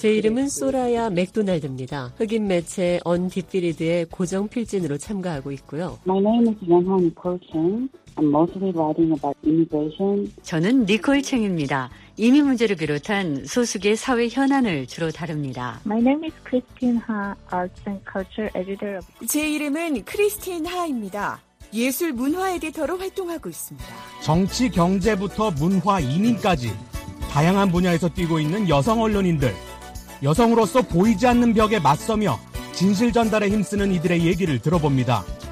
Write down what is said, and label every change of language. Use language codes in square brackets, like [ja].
[ko] 제 이름은 소라야 맥도날드입니다. 흑인 매체 언디피리드의 고정 필진으로 참가하고 있고요. [en] My name is Yeonhan Kolchang. I'm mostly writing about immigration. [ko] 저는 니콜 챙입니다. 이민 문제를 비롯한 소수계 사회 현안을 주로 다룹니다. [en] My name is Christine Ha, Arts and Culture Editor. [ko] 제 이름은 크리스틴 하입니다. 예술 문화 에디터로 활동하고 있습니다. 정치, 경제부터 문화, 이민까지 다양한 분야에서 뛰고 있는 여성 언론인들. 여성으로서 보이지 않는 벽에 맞서며 진실 전달에 힘쓰는 이들의 얘기를 들어봅니다.